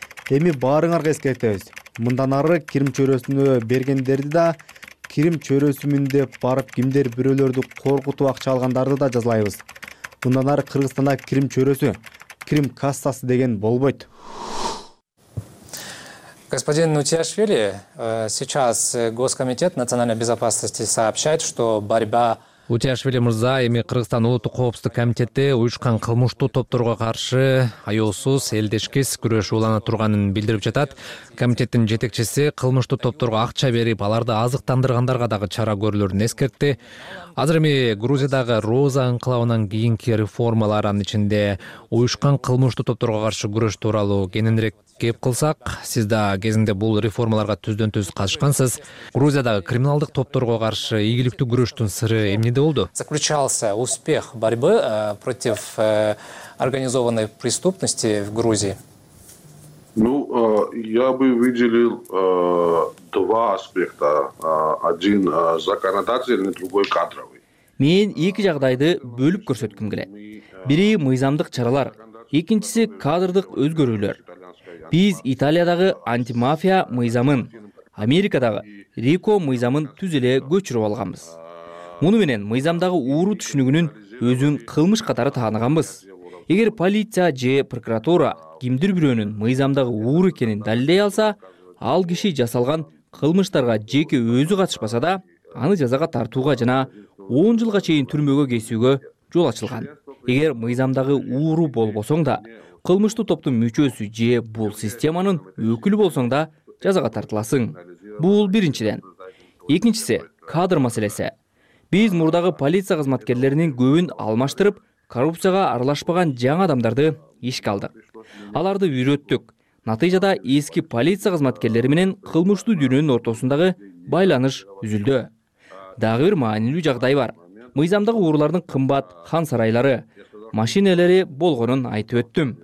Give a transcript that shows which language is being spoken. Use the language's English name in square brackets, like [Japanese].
[Kyrgyz] Эми баарыңарга эскертебиз. Мындан ары Крым чөйрөсүнө бергендерди да Крым чөйрөсүмүн деп барып кимдер бирөөлөрдү коркутуп акча алгандарды да жазалайбыз. Мындан ары Кыргызстанда Крым чөйрөсү, Крым кассасы деген болбойт. [Russian] Господин Утиашвили, сейчас Госкомитет национальной безопасности сообщает, что борьба [Kyrgyz] Утиашвили мырза, эми Кыргызстан улуттук коопсуздук комитети уюшкан кылмыштуу топторго каршы аёосуз, элдешкис күрөш улана турганын билдирип жатат. Комитеттин жетекчиси кылмыштуу топторго акча берип, аларды азыктандыргандарга дагы чара көрүлөрүн эскертти. Азыр эми Грузиядагы Роза анклавынан кийинки реформалар, анын ичинде уюшкан кылмыштуу топторго каршы күрөш тууралуу кененирээк кеп кылсак, сиз да кезинде бул реформаларга түздөн түз катышкансыз. Грузиядагы криминалдык топторго каршы ийгиликтүү күрөштүн сыры эмнеде болду? [Russian] Заключался успех борьбы против организованной преступности в Грузии? Ну, я бы выделил два аспекта. Один законодательный, другой кадровый. [Kyrgyz] Мен эки жагдайды бөлүп көрсөткүм келет. Бири мыйзамдык чаралар, экинчиси кадрдык өзгөрүүлөр. Биз Италиядагы антимафия мыйзамын, Америкадагы РИКО мыйзамын түз эле көчүрүп алганбыз. Муну менен мыйзамдагы ууру түшүнүгүнүн өзүн кылмыш катары тааныганбыз. Эгер полиция же прокуратура кимдир бирөөнүн мыйзамдагы ууру экенин далилдей алса, ал киши жасалган кылмыштарга жеке өзү катышпаса да, аны жазага тартууга жана 10 жылга чейин түрмөгө кесүүгө жол ачылган. Эгер мыйзамдагы ууру болбосоң да, кылмыштуу топтун мүчөсү же бул системанын өкүлү болсоң да жазага тартыласың. Бул биринчиден. Экинчиси кадр маселеси. Биз мурдагы полиция кызматкерлеринин көбүн алмаштырып, коррупцияга аралашпаган жаңы адамдарды ишке алдык. Аларды үйрөттүк. Натыйжада эски полиция кызматкерлери менен кылмыштуу дүйнөнүн ортосундагы байланыш үзүлдү. Дагы бир маанилүү жагдай бар. Мыйзамдагы уурулардын кымбат хан сарайлары, машинелери болгонун айтып өттүм.